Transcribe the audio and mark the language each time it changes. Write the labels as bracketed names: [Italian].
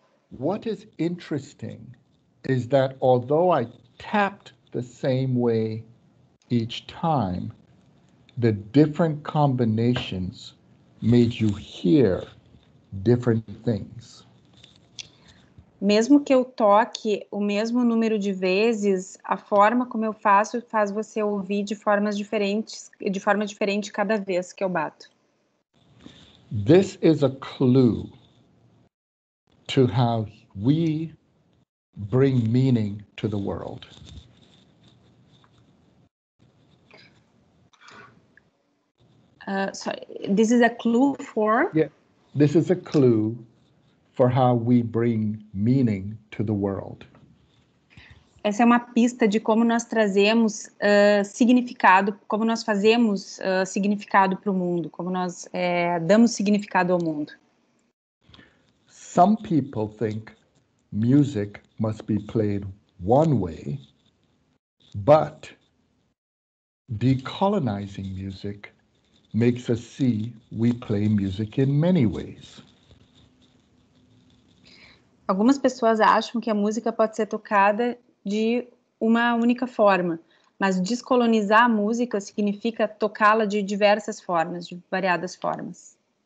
[English] What is interesting is that although I tapped the same way each time, the different combinations made you hear different things. [Portuguese] Mesmo que eu toque o mesmo número de vezes, a forma como eu faço faz você ouvir de formas diferentes, de forma diferente cada vez que eu bato. [English] This is a clue to how we bring meaning to the world. This is a clue for? Yeah, this is a clue for how we bring meaning to the world. [Portuguese] Essa é uma pista de como nós trazemos significado, como nós fazemos significado para o mundo, como nós damos significado ao mundo. [English] Some people think music must be played one way, but decolonizing music makes us see we play music in many ways. [Portuguese] Algumas pessoas acham que a música pode ser tocada de uma única forma, mas descolonizar a música significa tocá-la de diversas formas, de variadas formas.